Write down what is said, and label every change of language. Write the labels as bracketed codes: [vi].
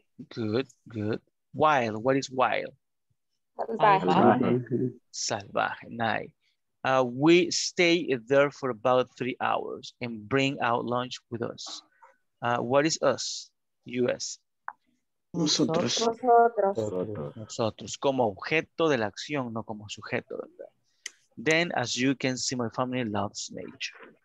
[en] Good. Wild. What is wild? [es] Salvaje. [en] Nice. We stay there for about 3 hours and bring out lunch with us. What is us? U.S. [es] Nosotros. Nosotros. Como objeto de la acción, no como sujeto, ¿verdad? [en] Then, as you can see, my family loves nature.